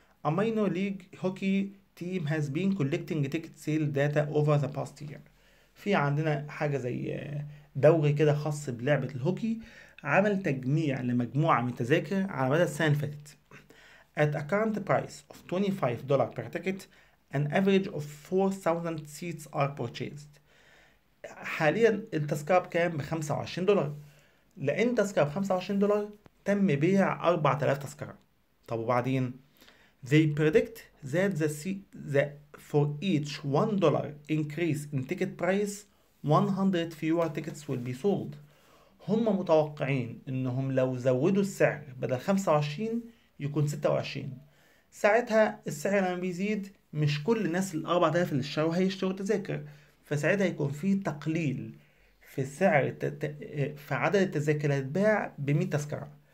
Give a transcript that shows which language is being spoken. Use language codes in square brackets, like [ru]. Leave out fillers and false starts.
[en] A minor league hockey team has been collecting ticket sale data over the past year. [ar] في عندنا حاجه زي دوري كده خاص بلعبه الهوكي عمل تجميع لمجموعه من التذاكر على مدى السنه اللي فاتت. [en] At a current price of $25 per ticket, an average of 4,000 seats are purchased. [ar] حاليا التذكرة بكام؟ ب $25. لأن التذكرة ب $25 تم بيع 4,000 تذكرة. [en] طب وبعدين؟ They predict that for each $1 increase in ticket price, 100 fewer tickets will be sold. [ar] هم متوقعين إنهم لو زودوا السعر بدل 25 يكون 26، ساعتها السعر لما بيزيد مش كل الناس ال 4000 اللي اشتروا هيشتروا تذاكر، فساعتها يكون في تقليل في سعر في عدد التذاكر اللي هتتباع ب 100 تذكره.